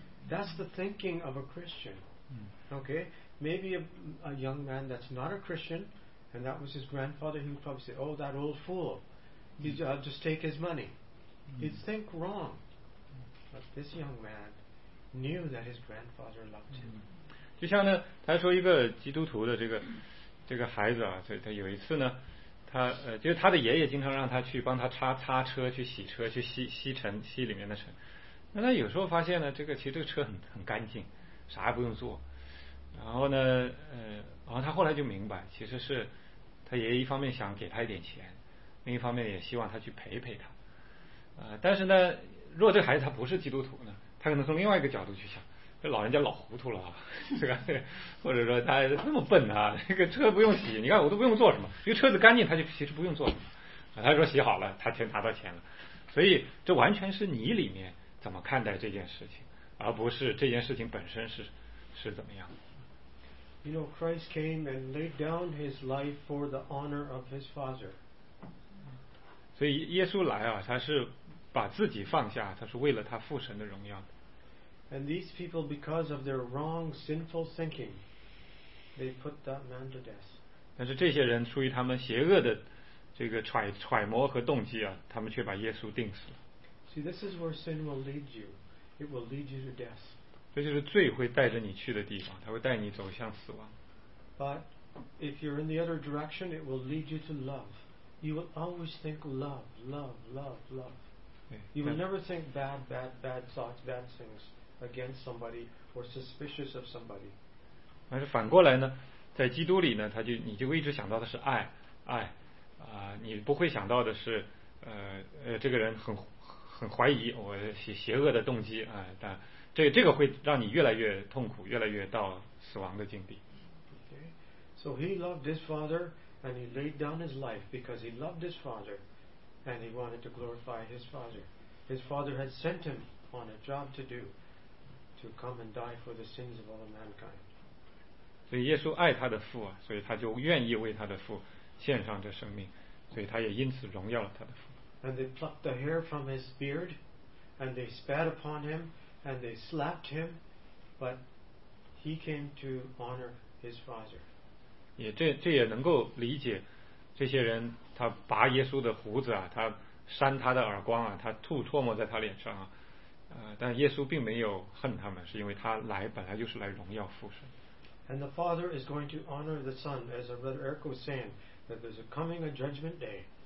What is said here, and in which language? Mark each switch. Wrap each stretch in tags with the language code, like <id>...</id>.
<en>That's the thinking of a Christian. Okay? Maybe a young man that's not a Christian, and that was his grandfather, he would probably say, oh, that old fool. He'd just take his money. He'd think wrong. But this young man knew that his grandfather loved him.</en> <zh>就像呢，他说一个基督徒的这个孩子啊，他有一次呢，他就是他的爷爷经常让他去帮他擦车，去洗车，去吸尘，吸里面的尘。那他有时候发现呢，这个其实这个车很干净，啥也不用做。然后呢，然后他后来就明白，其实是他爷爷一方面想给他一点钱，另一方面也希望他去陪陪他。但是呢，若这个孩子他不是基督徒呢，他可能从另外一个角度去想。这老人家老糊涂了啊，这个或者说他那么笨啊，那个车不用洗，你看我都不用做什么，因为车子干净，他就其实不用做什么。他说洗好了，他钱拿到钱了，所以这完全是你里面怎么看待这件事情，而不是这件事情本身是怎么样。</zh> <en>You know, Christ came and laid down his life for the honor of his Father.</en> <zh>所以耶稣来啊，他是把自己放下，他是为了他父神的荣耀。</zh> <en>And these people, because of their wrong, sinful thinking, they put that man to death.</en> <zh>但是这些人出于他们邪恶的这个揣摩和动机啊，他们却把耶稣钉死了。</zh> <en>See, this is where sin will lead you. It will lead you to death.</en> <zh>这就是罪会带着你去的地方，它会带你走向死亡。</zh> <en>But if you're in the other direction, it will lead you to love. You will always think love, love, love, love. You will never think bad, bad, bad thoughts, bad things against somebody or suspicious of somebody.</en> <zh>但是反过来呢，在基督里呢，他就你就一直想到的是爱，爱，你不会想到的是，这个人很怀疑我邪恶的动机，但这个会让你越来越痛苦，越来越到死亡的境地。</zh> <en>Okay. So he loved his father, and he laid down his life because he loved his father, and he wanted to glorify his father. His father had sent him on a job to do, to come and die for the sins of all mankind.</en> <zh>所以耶稣爱他的父，所以他就愿意为他的父献上这生命，所以他也因此荣耀了他的父。</zh> <en>And they plucked the hair from his beard, and they spat upon him, and they slapped him, but he came to honor his father.</en> <zh>也这也能够理解，这些人他拔耶稣的胡子他扇他的耳光他吐唾沫在他脸上但耶稣并没有恨他们，是因为他来本来就是来荣耀父神。</zh> <en>And the Father is going to honor the Son, as our brother Eric was saying, that there's a coming a judgment day.</en>